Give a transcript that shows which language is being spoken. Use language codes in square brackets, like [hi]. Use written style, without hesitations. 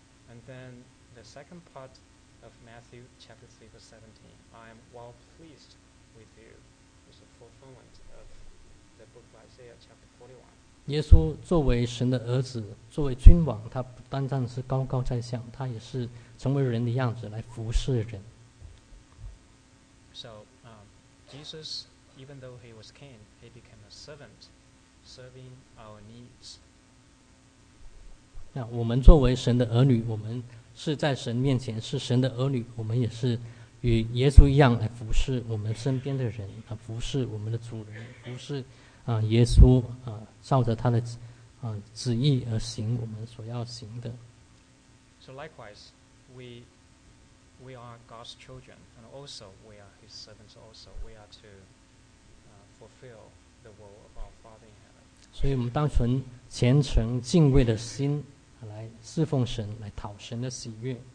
[en] And then the second part of Matthew chapter 3, verse 17, "I am well pleased with you," is a fulfillment of the book of Isaiah chapter 41. [zh] 耶稣作为神的儿子，作为君王，他不单单是高高在上，他也是成为人的样子来服侍人。 [en] So, Jesus... Even though he was king, he became a servant, serving our needs. [zh] 那我们作为神的儿女，我们是在神面前是神的儿女，我们也是与耶稣一样来服侍我们身边的人，服侍我们的主人，服侍耶稣照着他的旨意而行我们所要行的。 [en] So likewise, we are God's children, and also we are His servants. Also, we are to. Fulfill the will of our Father in heaven. [zh] 所以我们当存虔诚敬畏的心来侍奉神，来讨神的喜悦。